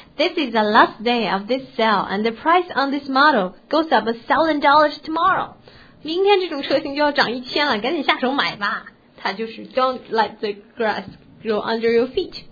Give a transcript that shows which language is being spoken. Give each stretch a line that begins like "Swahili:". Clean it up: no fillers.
English: This is the last day of this sale, and the price on this model goes up $1,000 tomorrow.
Chinese: 明天这种车型就要涨1000了，赶紧下手买吧。它就是
English: don't let the grass grow under your feet.